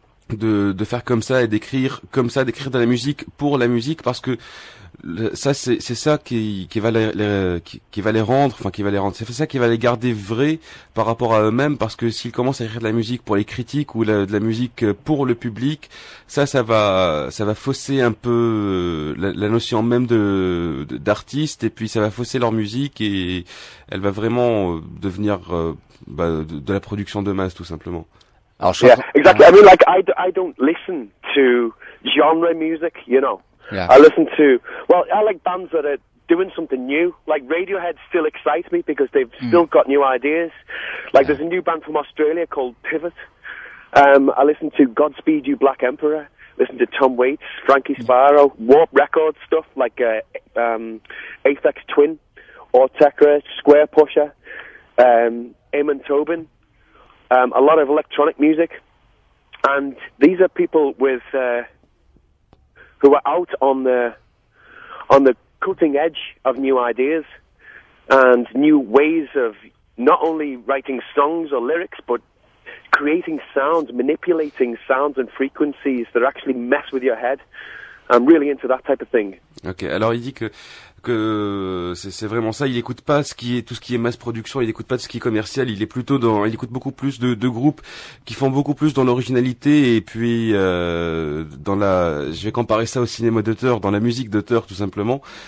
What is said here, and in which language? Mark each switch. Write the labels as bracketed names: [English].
[French] De faire comme ça et d'écrire comme ça, d'écrire de la musique pour la musique, parce que ça qui va les rendre, c'est ça qui va les garder vrais par rapport à eux-mêmes, parce que s'ils commencent à écrire de la musique pour les critiques ou de la musique pour le public, ça va fausser un peu la notion même d'artiste, et puis ça va fausser leur musique et elle va vraiment devenir de la production de masse, tout simplement. [English] Yeah, exactly. I mean, like, I don't listen to genre music, you know. Yeah. I listen to, I like bands that are doing something new. Like, Radiohead still excites me because they've still got new ideas. Like, there's a new band from Australia called Pivot. I listen to Godspeed You Black Emperor. Listen to Tom Waits, Frankie Sparrow, Warp Records stuff, like Aphex Twin, Ortega, Square Pusher, Eamon Tobin. A lot of electronic music, and these are people with who are out on the cutting edge of new ideas and new ways of not only writing songs or lyrics, but creating sounds, manipulating sounds and frequencies that actually mess with your head. I'm really into that type of thing. [French] Okay, alors il dit que c'est vraiment ça. Il écoute pas tout ce qui est mass production, il écoute pas tout ce qui est commercial, il écoute beaucoup plus de groupes qui font beaucoup plus dans l'originalité, et puis je vais comparer ça au cinéma d'auteur, dans la musique d'auteur, tout simplement.